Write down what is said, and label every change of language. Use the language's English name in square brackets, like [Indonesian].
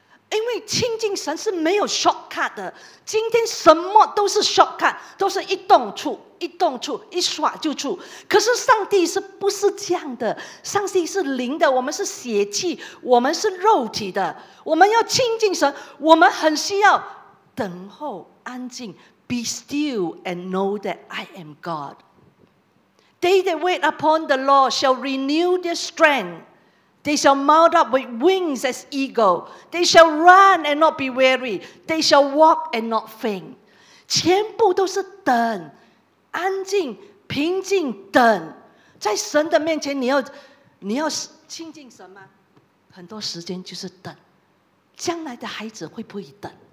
[Chinese] 因为亲近神是没有 shortcut 的，今天什么都是 shortcut， 都是一动处一动处一刷就出。可是上帝是不是这样的？上帝是灵的，我们是血气，我们是肉体的。我们要亲近神，我们很需要等候安静。 [English] Be still and know that I am God. They that wait upon the Lord shall renew their strength. They shall mount up with wings as eagle. They shall run and not be weary. They shall walk and not faint. [Chinese] 全部都是等，安静，平静，等。在神的面前，你要亲近神吗？很多时间就是等。将来的孩子会不会等？